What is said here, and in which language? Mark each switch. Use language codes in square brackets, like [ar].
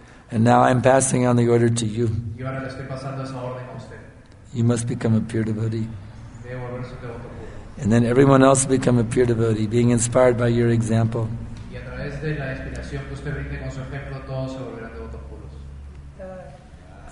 [en] And now I'm passing on the order to you. [es] Y ahora le estoy pasando esa orden a usted. [en] You must become a pure devotee. [es] Debo volverse un devoto puro. [en] And then everyone else will become a pure devotee, being inspired by your example. [es] Y a través de la inspiración que usted brinde con su ejemplo, todos se volverán devotos puros.